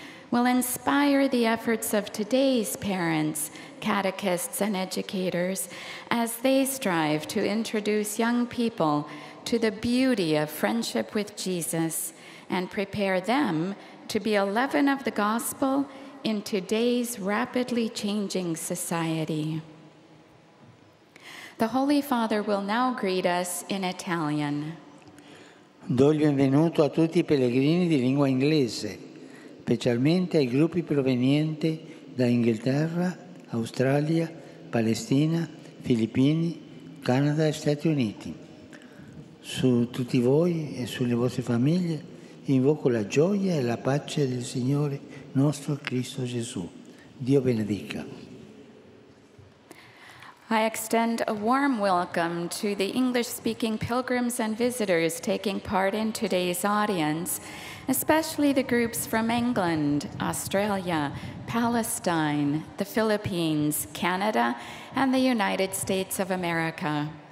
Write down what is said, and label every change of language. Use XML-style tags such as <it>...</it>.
<en>will inspire the efforts of today's parents, catechists, and educators as they strive to introduce young people to the beauty of friendship with Jesus and prepare them to be a leaven of the gospel in today's rapidly changing society. The Holy Father will now greet us in Italian.</en> <it>Do il benvenuto a tutti i pellegrini di lingua inglese, specialmente ai gruppi provenienti da Inghilterra, Australia, Palestina, Filippini, Canada e Stati Uniti. Su tutti voi e sulle vostre famiglie invoco la gioia e la pace del Signore nostro Cristo Gesù. Dio benedica.</it> <en>I extend a warm welcome to the English-speaking pilgrims and visitors taking part in today's audience, especially the groups from England, Australia, Palestine, the Philippines, Canada, and the United States of America.</en>